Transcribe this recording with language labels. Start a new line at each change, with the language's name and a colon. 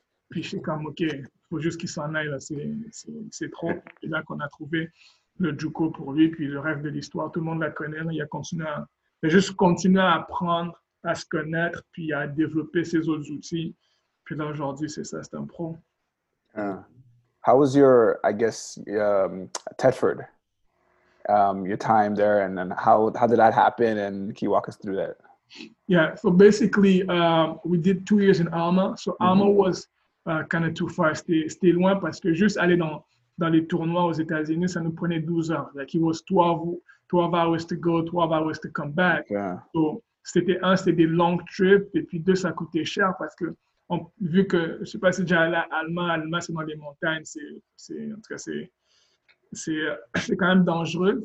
French: Puis je suis comme, OK, il faut juste qu'il s'en aille, là, c'est trop. C'est là qu'on a trouvé le Juco pour lui, puis le reste de l'histoire, tout le monde la connaît, il a continué à apprendre, à se connaître, puis à développer ses autres outils. Puis là, aujourd'hui, c'est ça, c'est un pro.
English: How was your, I guess, Tedford, your time there, and then how did that happen, and can you walk us through that? Yeah, so basically, we did 2 years in Alma, so Alma mm-hmm. was kind of too far,
French: c'était loin, parce que juste aller dans les tournois aux États-Unis, ça nous prenait 12 heures.
English: Like, it was 12 hours to go, 12 hours to come back. Yeah.
French: So, c'était un, c'était des long trips, et puis deux, ça coûtait cher parce que, vu que, je sais pas si déjà là, Alma, c'est dans les montagnes, c'est quand même dangereux.